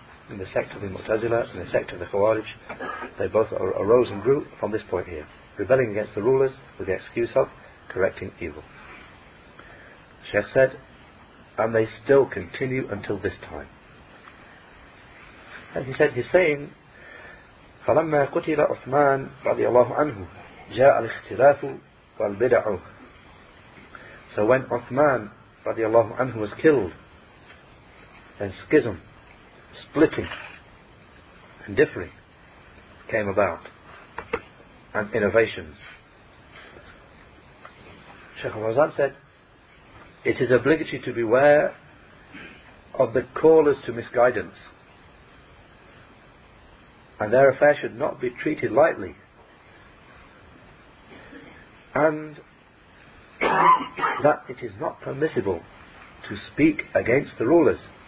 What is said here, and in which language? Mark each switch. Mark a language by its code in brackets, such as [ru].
[en] In the sect of the Mu'tazila, in the sect of the Khawarij, they both arose and grew from this point here. Rebelling against the rulers with the excuse of correcting evil. Sheikh said, and they still continue until this time. And he said, he's saying, [ar] فَلَمَّا قُتِلَ عُثْمَانَ رَضِيَ اللَّهُ عَنْهُ جَاءَ الْإِخْتِلَافُ وَالْبِدَعُ. [en] So when Uthman [ar] رَضِيَ اللَّهُ عَنْهُ [en] was killed, and schism, splitting, and differing came about, and innovations. Sheikh al-Fawzan said, it is obligatory to beware of the callers to misguidance, and their affair should not be treated lightly, and that it is not permissible to speak against the rulers.